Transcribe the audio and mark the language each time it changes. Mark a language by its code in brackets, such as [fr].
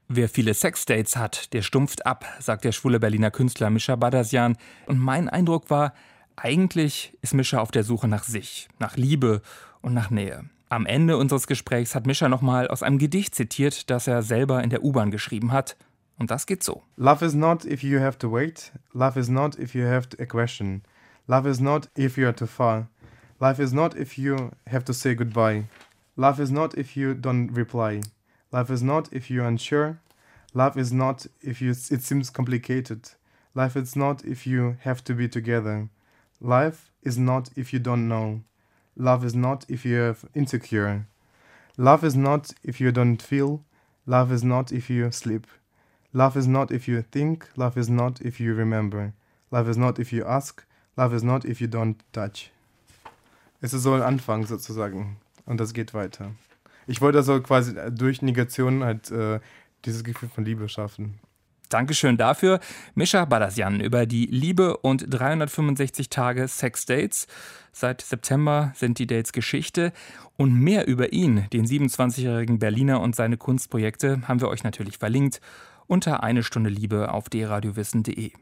[de] Wer viele Sexdates hat, der stumpft ab, sagt der schwule Berliner Künstler Mischa Badasyan. Und mein Eindruck war, eigentlich ist Mischa auf der Suche nach sich, nach Liebe und nach Nähe. Am Ende unseres Gesprächs hat Mischa nochmal aus einem Gedicht zitiert, das er selber in der U-Bahn geschrieben hat. Und das geht so. [en] Love is not if you have to wait. Love is not if you have a question. Love is not if you are too far. Life is not if you have to say goodbye. Love is not if you don't reply. Life is not if you're unsure. Love is not if it seems complicated. Life is not if you have to be together. Life is not if you don't know. Love is not if you're insecure. Love is not if you don't feel. Love is not if you sleep. Love is not if you think. Love is not if you remember. Love is not if you ask. Love is not if you don't touch. [de] Es ist so ein Anfang sozusagen. Und das geht weiter. Ich wollte also quasi durch Negation halt dieses Gefühl von Liebe schaffen. Dankeschön dafür, Mischa Badasyan, über die Liebe und 365 Tage Sexdates. Seit September sind die Dates Geschichte. Und mehr über ihn, den 27-jährigen Berliner und seine Kunstprojekte, haben wir euch natürlich verlinkt unter eine Stunde Liebe auf deradiowissen.de.